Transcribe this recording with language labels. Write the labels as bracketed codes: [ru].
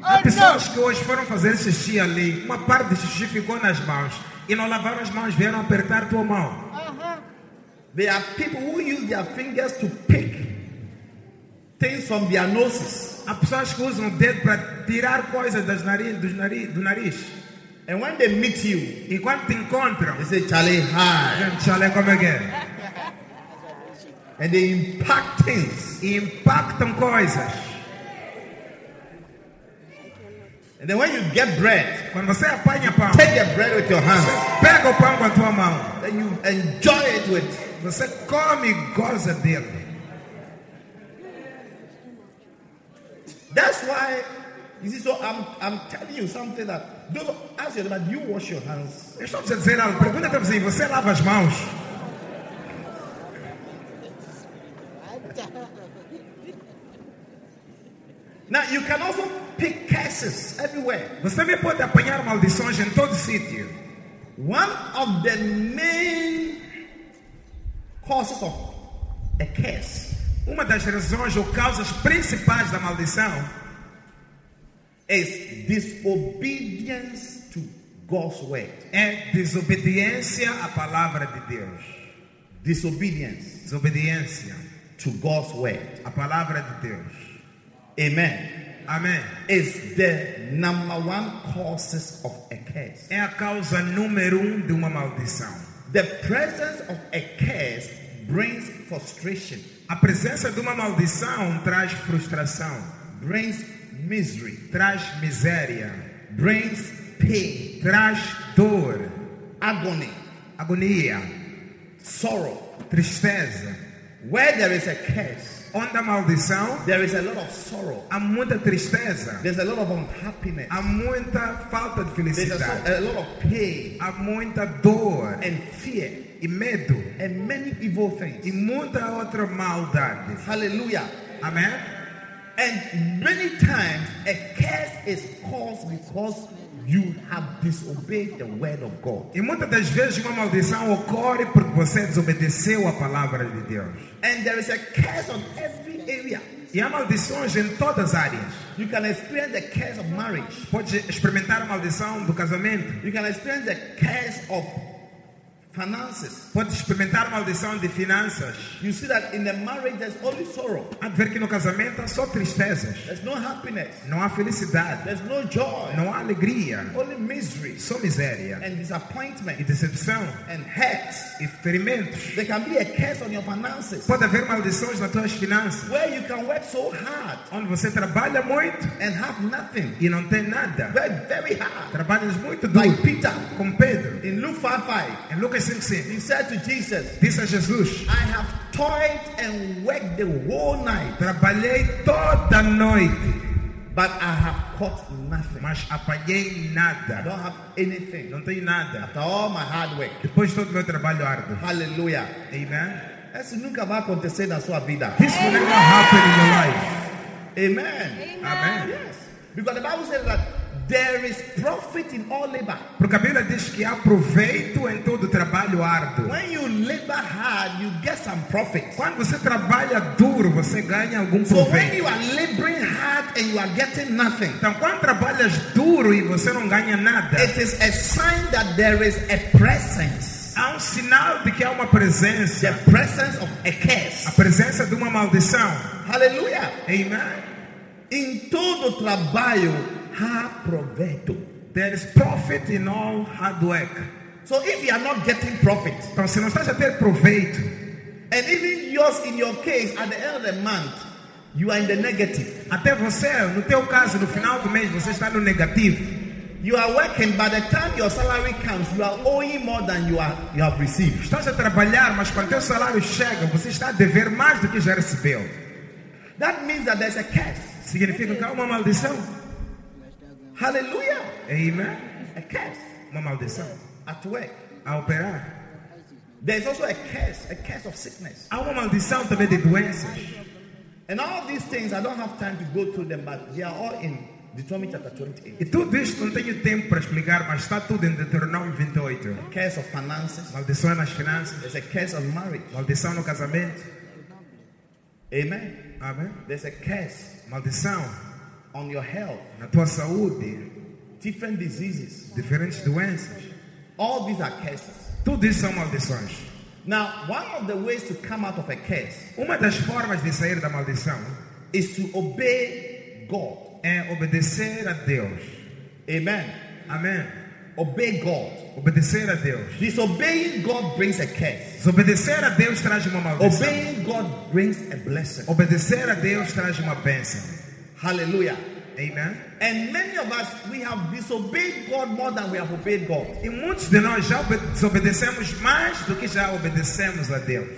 [pt] As pessoas que hoje foram fazer xixi ali, uma parte de xixi ficou nas mãos e não lavaram as mãos, vieram apertar tua mão. [en] There are people who use their fingers to pick things from their noses. [pt] Há pessoas que usam o dedo para tirar coisas das nariz, do nariz. [en] And when they meet you, [pt] e quando te encontram, [en] they say, Charlie, hi. Charlie, come again. And they impact things. [pt] E impactam coisas. [en] And then when you get bread, [pt] quando você apanha pão, [en] take the bread with your hands. [pt] Pega o pão com a tua mão. [en] Then you enjoy it with. [pt] Você come e goza dele. [en] That's why You see, so I'm telling you something that don't ask yourself, do you wash your hands? [pt] Eu estou te dizendo algo. Pergunta para você, você lava as mãos? [en] Now you can also pick curses everywhere. [pt] Você também pode apanhar maldições em todo sítio. [en] One of the main causes of a curse. [pt] Uma das razões ou causas principais da maldição [en] is disobedience to God's word. [pt] É desobediência à palavra de Deus. [en] Disobedience to God's word. [pt] A palavra de Deus. [en] Amen. [pt] Amen. [en] Is the number one causes of a curse. [pt] É a causa número um de uma maldição. [en] The presence of a curse brings frustration. [pt] A presença de uma maldição traz frustração. [en] Brings misery. [pt] Traz miséria. [en] Brings pain. [pt] Traz dor. [en] Agony. [pt] Agonia. [en] Sorrow. [pt] Tristeza. [en] Where there is a curse, [pt] onde a maldição, [en] there is a lot of sorrow. [pt] Há muita tristeza. [en] There's a lot of unhappiness. [pt] Há muita falta de felicidade. [en] There's a lot of pain. [pt] Há muita dor. [en] And fear. [pt] E medo. [en] And many evil things. [pt] E muita outra maldade. [en] Hallelujah. [pt] Amen. [en] And many times a curse is caused because you have disobeyed the word of God. [pt] E muitas das vezes uma maldição ocorre porque você desobedeceu a palavra de Deus. [en] And there is a curse on every area. [pt] E há maldições em todas as áreas. [en] You can experience the curse of marriage. [pt] Pode experimentar a maldição do casamento. [en] You can experience the curse of finances. [pt] Pode experimentar a maldição de finanças. [en] You see that in the marriage there's only sorrow. [pt] Há de ver que no casamento há só tristezas. [en] There's no happiness. [pt] Não há felicidade. [en] There's no joy. [pt] Não há alegria. [en] Only misery. [pt] Só miséria. [en] And disappointment. [pt] E decepção. [en] And hurt. [pt] E ferimentos. [en] There can be a curse on your finances. [pt] Pode haver maldições nas tuas finanças. [en] Where you can work so hard. [pt] Onde você trabalha muito. [en] And have nothing. [pt] E não tem nada. [en] Work very hard. [pt] Trabalhas muito duro. [en] Like Peter. [pt] Como Pedro. [en] In Luke 5:5. [pt] Em Lucas. [en] He said to Jesus, [pt] disse a Jesus, [en] I have toiled and worked the whole night. [pt] Trabalhei toda a noite. [en] But I have caught nothing. [pt] Mas apanhei nada. [en] I don't have anything. [pt] Não tenho nada. [en] After all my hard work. [pt] Depois de todo meu trabalho árduo. [en] Hallelujah. [pt] Amen. Isso nunca vai acontecer na sua vida. [en] This will never happen in your life. Amen. [pt] Amen. [en] Yes. Because the Bible says that there is profit in all labor. [pt] Porque a Bíblia diz que há proveito em todo trabalho árduo. [en] When you labor hard, you get some profit. [pt] Quando você trabalha duro, você ganha algum proveito. [en] So when you are laboring hard and you are getting nothing. [pt] Então quando trabalhas duro e você não ganha nada. [en] It is a sign that there is a presence. [pt] Há um sinal de que há uma presença. [en] The presence of a curse. [pt] A presença de uma maldição. [en] Hallelujah. [pt] Amen. Em todo trabalho há proveito. [en] There is profit in all hard work. So if you are not getting profit, [pt] então se não estás a ter proveito, [en] and even yours in your case at the end of the month, you are in the negative. [pt] Até você, no teu caso, no final do mês, você está no negativo. [en] You are working, by the time your salary comes, you are owing more than you have received. [pt] Estás a trabalhar, mas quando teu salário chega, você está a dever mais do que já recebeu. [en] That means that there's a curse. [pt] Significa que há uma maldição. [en] Hallelujah. [pt] Amen. [en] A curse. [pt] Uma maldição. [en] At work. [pt] A operar. [en] There's also a curse of sickness. [pt] Há uma maldição também de doenças. [en] And all these things, I don't have time to go through them, but they are all in Deuteronomy chapter 28. [pt] E tudo isto não tenho tempo para explicar, mas está tudo em Deuteronômio 28. [en] A curse of finances. [pt] Maldição nas finanças. [en] There's a curse of marriage. [pt] Maldição no casamento. [en] Amen. [pt] Amen. [en] There's a curse. [pt] Maldição. [en] On your health, [pt] na tua saúde, [en] different diseases, [pt] diferentes doenças, [en] all these are curses. [pt] Tudo isso são maldições. [en] Now, one of the ways to come out of a curse, [pt] uma das formas de sair da maldição, [en] is to obey God. [pt] É obedecer a Deus. [en] Amen. [pt] Amen. [en] Obey God. [pt] Obedecer a Deus. [en] Disobeying God brings a curse. [pt] Desobedecer a Deus traz uma maldição. [en] Obeying God brings a blessing. [pt] Obedecer a Deus traz uma bênção. [en] Hallelujah. [pt] Amen. [en] And many of us, we have disobeyed God more than we have obeyed God. [pt] E muitos de nós já desobedecemos mais do que já obedecemos a Deus.